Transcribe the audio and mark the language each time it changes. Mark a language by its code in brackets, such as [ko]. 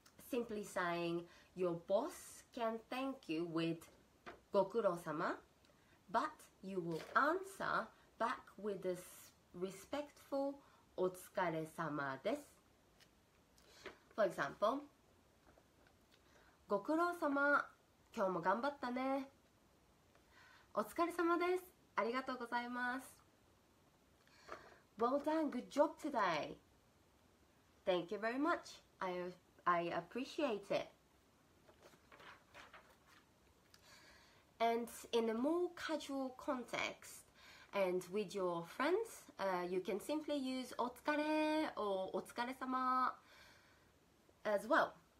[en] Simply saying, your boss can thank you with Gokuro-sama, but you will answer back with a respectful Otsukare-sama desu. For example, [ja] Gokuro-sama, 今日も頑張ったね。お疲れ様です。ありがとうございます。 [en] Well done, good job today. Thank you very much. I appreciate it. And in a more casual context, and with your friends, you can simply use お疲れor お疲れ様 as well.